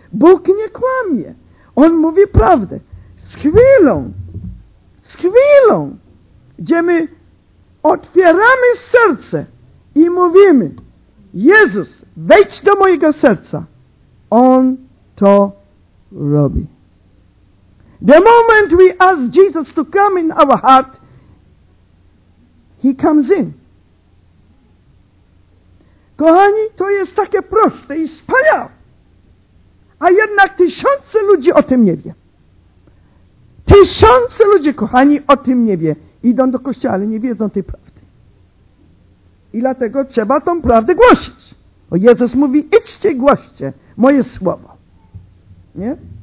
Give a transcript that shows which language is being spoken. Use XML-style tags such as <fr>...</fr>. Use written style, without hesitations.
<pl>Bóg nie kłamie. On mówi prawdę. Z chwilą, gdzie my otwieramy serce i mówimy, Jezus, wejdź do mojego serca. On to robi.</pl> <en>The moment we ask Jesus to come in our heart, He comes in.</en> <pl>Kochani, to jest takie proste i wspaniałe. A jednak tysiące ludzi o tym nie wie. Tysiące ludzi, kochani, o tym nie wie. Idą do kościoła, ale nie wiedzą tej prawdy. I dlatego trzeba tą prawdę głosić. Bo Jezus mówi, idźcie, głoście moje słowo. Nie?</pl>